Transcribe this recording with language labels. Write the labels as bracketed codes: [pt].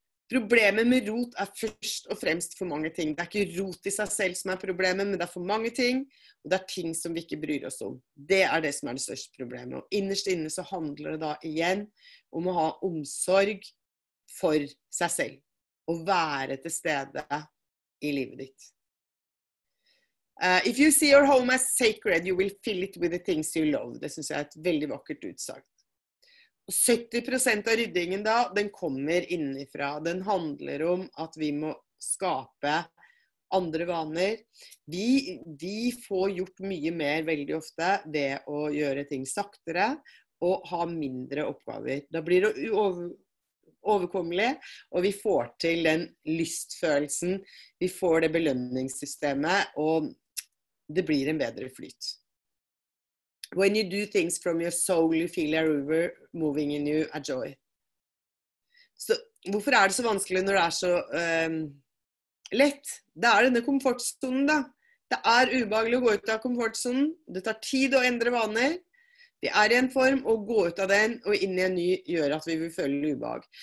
[no] Problemet med rot er først og fremst for mange ting. Det er ikke rot i seg selv som er problemet, men det er for mange ting. Og det er ting som vi ikke bryr oss om. Det er det som er det største problemet. Og innerst inne så handler det da igjen om å ha omsorg for seg selv. Og være til stede i livet ditt. [en] If you see your home as sacred, you will fill it with the things you love. [no] Det synes jeg er et veldig vakkert utsagn. 70% av ryddingen da, den kommer innifra. Den handler om at vi må skape andre vaner. Vi får gjort mye mer veldig ofte ved å gjøre ting saktere og ha mindre oppgaver. Da blir det overkommelig, og vi får til den lystfølelsen. Vi får det belønningssystemet, og det blir en bedre flyt. [en] When you do things from your soul, you feel a river moving in you, a joy. [no] Så hvorfor er det så vanskelig når det er så lett? Det er denne komfortzonen da. Det er ubehagelig å gå ut av komfortzonen. Det tar tid å endre vaner. Vi er i en form, og gå ut av den og inn i en ny gjør at vi vil føle ubehag.